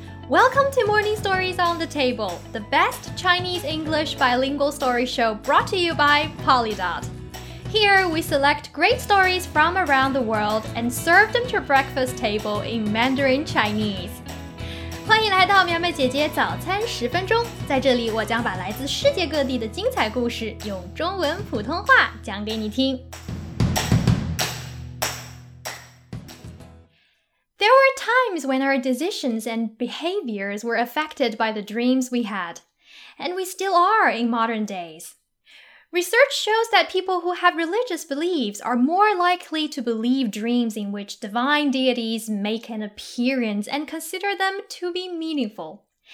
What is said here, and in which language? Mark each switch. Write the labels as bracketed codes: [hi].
[en] Welcome to Morning Stories on the Table, the best Chinese English bilingual story show brought to you by Polydot. Here, we select great stories from around the world and serve them to your breakfast table in Mandarin Chinese. [zh] 欢迎来到苗苗姐姐早餐十分钟，在这里我将把来自世界各地的精彩故事用中文普通话讲给你听。 [en] There were times when our decisions and behaviors were affected by the dreams we had, and we still are in modern days. Research shows that people who have religious beliefs are more likely to believe dreams in which divine deities make an appearance and consider them to be meaningful.